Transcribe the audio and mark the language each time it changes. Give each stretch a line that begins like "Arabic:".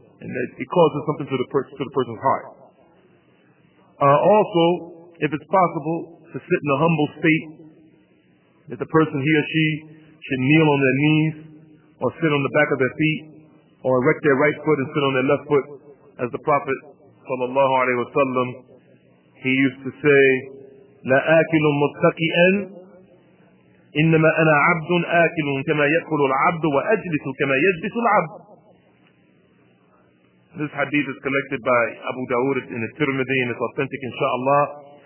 English: And it causes something to the person's heart. Also, if it's possible to sit in a humble state, that the person, he or she, should kneel on their knees or sit on the back of their feet or erect their right foot and sit on their left foot. As the Prophet, sallallahu alayhi wa sallam, he used to say,
Arabic: لَا أَكِلُ مُتَّقِئًا إنما أنا عبد آكل كما يأكل العبد وأجلس كما يجلس العبد.
English: This hadith is collected by Abu Dawood in the Tirmidhi and it's authentic, inshallah.